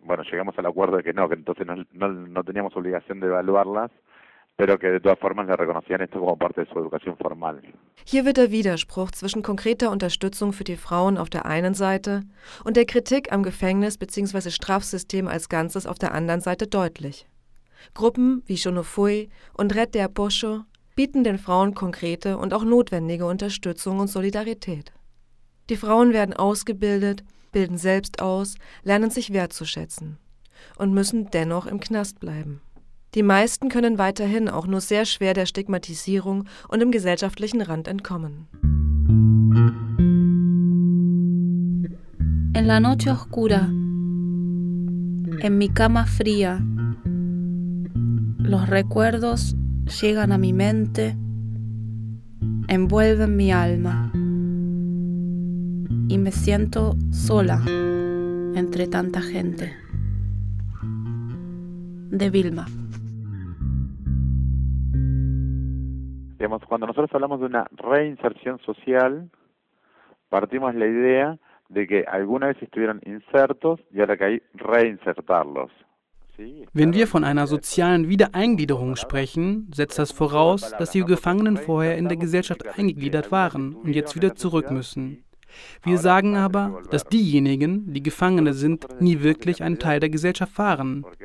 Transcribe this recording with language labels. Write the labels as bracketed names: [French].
[Spanish] Llegamos al acuerdo de que no, que entonces no teníamos obligación de evaluarlas, pero que de todas formas le reconocían esto como parte de su educación formal. [German] Hier wird der Widerspruch zwischen konkreter Unterstützung für die Frauen auf der einen Seite und der Kritik am Gefängnis bzw. Strafsystem als Ganzes auf der anderen Seite deutlich. Gruppen wie Xonofui und Red de Apoyo bieten den Frauen konkrete und auch notwendige Unterstützung und Solidarität. Die Frauen werden ausgebildet, bilden selbst aus, lernen sich wertzuschätzen und müssen dennoch im Knast bleiben. Die meisten können weiterhin auch nur sehr schwer der Stigmatisierung und dem gesellschaftlichen Rand entkommen. [Spanish] En la noche oscura, en mi cama fría, los recuerdos llegan a mi mente, envuelven mi alma y me siento sola entre tanta gente. De Vilma. Digamos, cuando nosotros hablamos de una reinserción social, partimos la idea de que alguna vez estuvieron insertos y ahora que hay reinsertarlos. [German] Wenn wir von einer sozialen Wiedereingliederung sprechen, setzt das voraus, dass die Gefangenen vorher in der Gesellschaft eingegliedert waren und jetzt wieder zurück müssen. Wir sagen aber, dass diejenigen, die Gefangene sind, nie wirklich ein Teil der Gesellschaft waren.